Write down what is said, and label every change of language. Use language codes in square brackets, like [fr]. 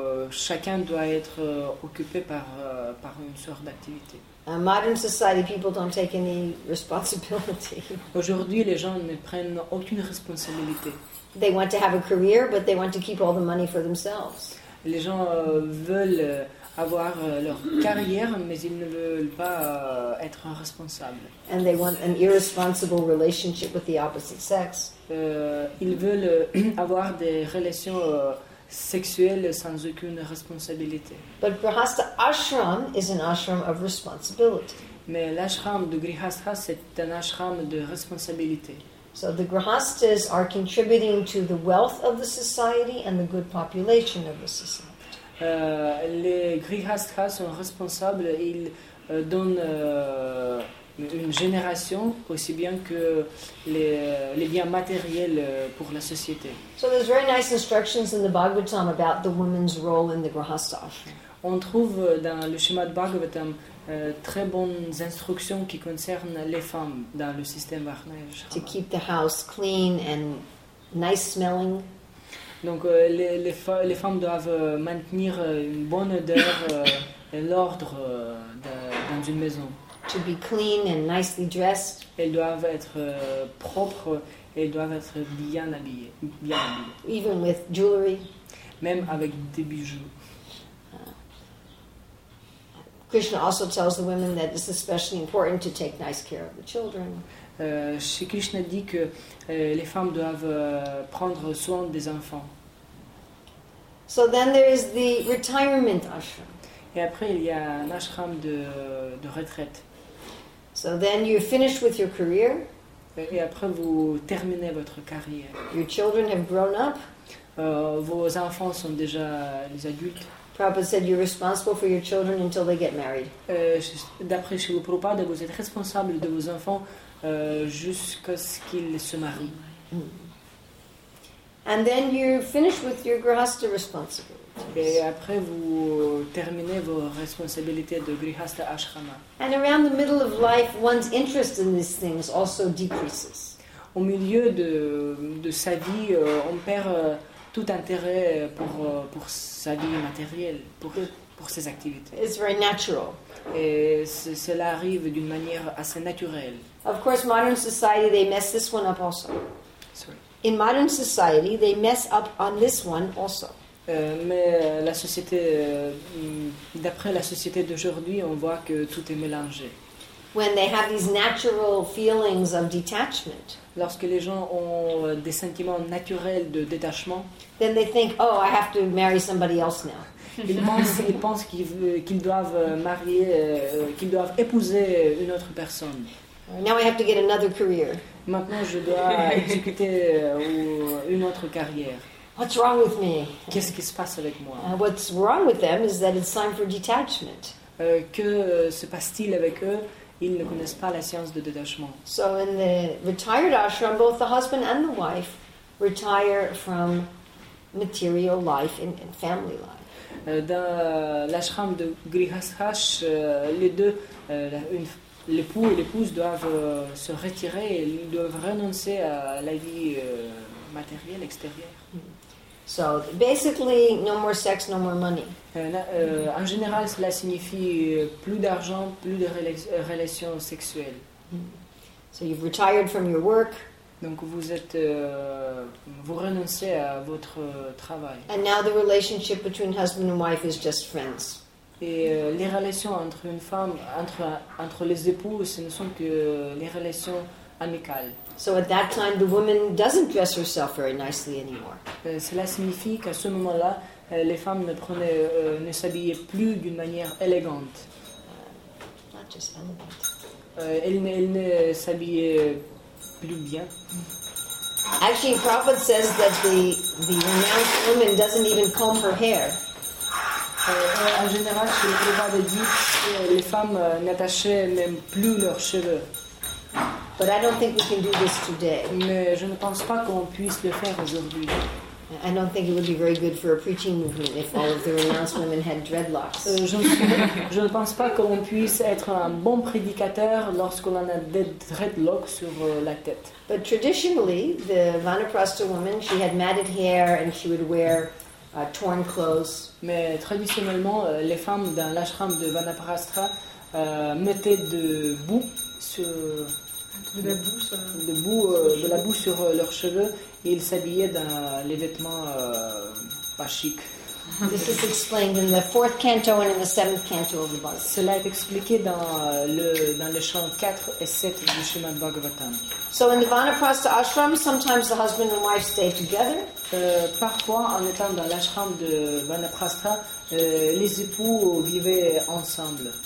[fr] Chacun doit être occupé par une sorte d'activité. [en] In modern society, people don't take any responsibility. [fr] Aujourd'hui, les gens ne prennent aucune responsabilité. [en] They want to have a career, but they want to keep all the money for themselves. [fr] Les gens veulent avoir leur carrière, mais ils ne veulent pas être responsables. [en] And they want an irresponsible relationship with the opposite sex. [fr] Ils veulent avoir des relations sexuelles sans aucune responsabilité. [en] But Grihastha Ashram is an ashram of responsibility. [fr] Mais l'ashram de Grihastha, c'est un ashram de responsabilité. [en] So the Grihasthas are contributing to the wealth of the society and the good population of the society. [fr] Les Grihasthas sont responsables, ils donnent une génération aussi bien que les biens matériels pour la société. [en] So there's very nice instructions in the Bhagavatam about the woman's role in the Grihastha ashram. [fr] On trouve dans le Srimad Bhagavatam très bonnes instructions qui concernent les femmes dans le système Varnaya. [en] To keep the house clean and nice smelling. [fr] Donc les femmes doivent maintenir une bonne odeur et l'ordre dans une maison. [en] To be clean and nicely dressed. [fr] Elles doivent être propres et doivent être bien habillées. [en] Even with jewelry. [fr] Même avec des bijoux. [en] Krishna also tells the women that it's especially important to take nice care of the children. [fr] Shri Krishna dit que les femmes doivent prendre soin des enfants. [en] So then there is the retirement ashram. [fr] Et après il y a un ashram de retraite. [en] So then you're finished with your career. [fr] Et après vous terminez votre carrière. [en] Your children have grown up. [fr] Vos enfants sont déjà des adultes. [en] Prabhupada said you're responsible for your children until they get married. [fr] D'après Srila Prabhupada, vous êtes responsable de vos enfants jusqu'à ce qu'ils se marient. [en] And then you're finished with your grihastha responsibilities. [fr] Et après vous terminez vos responsabilités de grihastha ashrama. [en] And around the middle of life, one's interest in these things also decreases. [fr] Au milieu de sa vie, on perd tout intérêt pour sa vie matérielle, pour ses activités. [en] It's very natural. [fr] Et cela arrive d'une manière assez naturelle. [en] Of course, modern society, they mess this one up also. Sorry. In modern society, they mess up on this one also. [fr] Mais la société, d'après la société d'aujourd'hui, on voit que tout est mélangé. [en] When they have these natural feelings of detachment, [fr] lorsque les gens ont des sentiments naturels de détachement, [en] then they think, oh, I have to marry somebody else now. [fr] Ils pensent qu'ils doivent épouser une autre personne. [en] Now I have to get another career. [fr] Maintenant, je dois exécuter une autre carrière. [en] What's wrong with me? [fr] Qu'est-ce qui se passe avec moi? [en] What's wrong with them is that it's time for detachment. [fr] Que se passe-t-il avec eux? Ils ne connaissent pas la science de détachement. [en] So in the retired ashram, both the husband and the wife retire from material life and family life. [fr] Dans l'ashram de Grihastha, les deux, l'époux et l'épouse doivent se retirer et ils doivent renoncer à la vie matérielle, extérieure. [en] So basically, no more sex, no more money. [fr] En général, cela signifie plus d'argent, plus de relations sexuelles. [en] So you've retired from your work. [fr] Donc vous êtes, vous renoncez à votre travail. [en] And now the relationship between husband and wife is just friends. [fr] Et les relations entre une femme, entre les époux, ce ne sont que les relations amicales. [en] So at that time, the woman doesn't dress herself very nicely anymore. [fr] Cela signifie qu'à ce moment-là, les femmes ne s'habillaient plus d'une manière élégante. [en] Not just elegant. [fr] Elles ne s'habillaient plus bien. [en] Actually, Prabhupada says that the renounced woman doesn't even comb her hair. [fr] En général, le Prabhupada dit que les femmes n'attachaient même plus leurs cheveux. [en] But I don't think we can do this today. [fr] Mais je ne pense pas qu'on puisse le faire aujourd'hui. [en] I don't think it would be very good for a preaching movement if all of the renounced women had dreadlocks. [fr] Je ne pense pas qu'on puisse être un bon prédicateur lorsqu'on en a des dreadlocks sur la tête. [en] But traditionally, the vanaprastha woman, she had matted hair and she would wear torn clothes. [fr] Mais traditionnellement, les femmes dans l'ashram de vanaprastha mettaient de boue sur De la boue sur leurs cheveux et ils s'habillaient dans les vêtements pas chics. [en] This is explained in the fourth canto and in the seventh canto of the Bhagavad. [fr] Cela est expliqué dans le chant 4 et 7 du Shrimad Bhagavatam. [en] So in the Vanaprastha ashram, sometimes the husband and wife stay together. [fr] Parfois, en étant dans l'ashram de Vanaprastha, les époux vivaient ensemble.